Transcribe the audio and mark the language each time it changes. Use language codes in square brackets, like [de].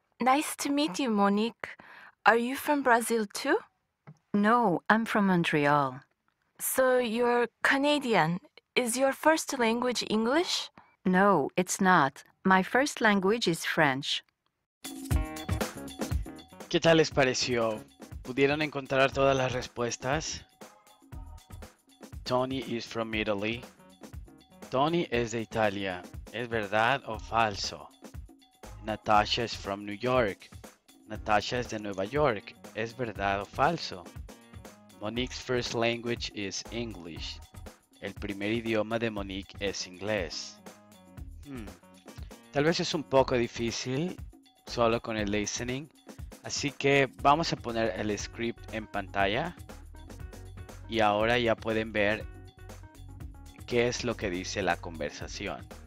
[en] Nice to meet you, Monique. Are you from Brazil too? No, I'm from Montreal. So you're Canadian. Is your first language English? No, it's not. My first language is French. [es] ¿Qué tal les pareció? ¿Pudieron encontrar todas las respuestas? [en] Tony is from Italy. [es] Tony es de Italia. ¿Es verdad o falso? [en] Natasha is from New York. [es] Natasha es de Nueva York. ¿Es verdad o falso? [en] Monique's first language is English. [es] El primer idioma de Monique es inglés. Tal vez es un poco difícil solo con el listening, así que vamos a poner el script en pantalla y ahora ya pueden ver qué es lo que dice la conversación.